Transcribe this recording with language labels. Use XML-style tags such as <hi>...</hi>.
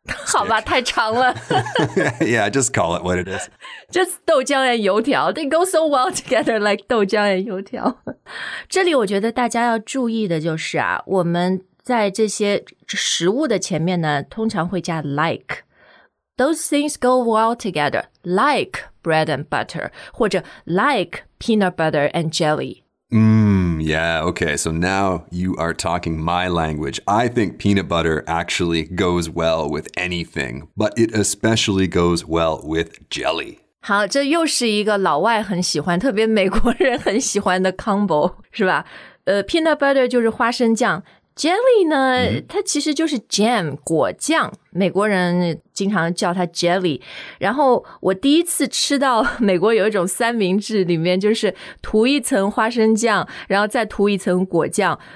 <zh>好吧，太长了。</zh> <en>Yeah, just call it what it is. Just 豆浆 and 油条 ，they go so well together, like 豆浆 and 油条。</en> <zh>这里我觉得大家要注意的就是啊，我们在这些食物的前面呢，通常会加 like。</zh> <en>Those things go well together, like bread and butter, 或者 like peanut butter and jelly. Yeah, okay, so now you are talking my language. I think peanut butter actually goes well with anything, but it especially goes well with jelly.</en> <zh>好，这又是一个老外很喜欢，特别美国人很喜欢的 combo, 是吧？ peanut butter 就是花生酱。Jelly 呢、它其实就是 jam, 果酱。美国人经常叫它 jelly。然后我第一次吃到美国有一种三明治里面就是涂一层花生酱然后再涂一层果酱。</zh>